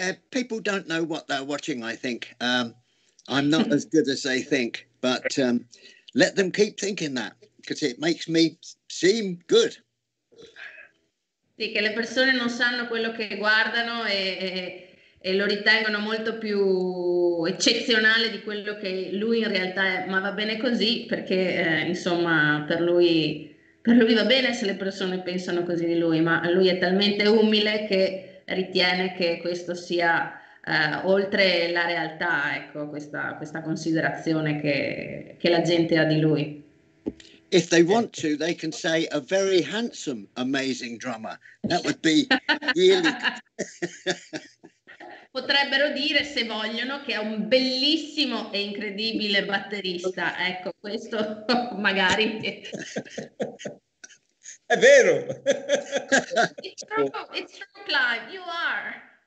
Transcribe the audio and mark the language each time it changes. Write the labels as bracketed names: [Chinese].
[English] People don't know what they're watching, I think. I'm not as good as they think, but let them keep thinking that, because it makes me seem good. [Italian] Sì, che le persone non sanno quello che guardano e lo ritengono molto più eccezionale di quello che lui in realtà è, ma va bene così, perché insomma per lui va bene se le persone pensano così di lui, ma lui è talmente umile che ritiene che questo sia oltre la realtà, ecco, questa considerazione che la gente ha di lui. [English] If they want to, they can say a very handsome, amazing drummer. That would be really good. [Italian] Potrebbero dire, se vogliono, che è un bellissimo e incredibile batterista. Ecco, questo magari... È vero! [English] It's true, Clive, you are!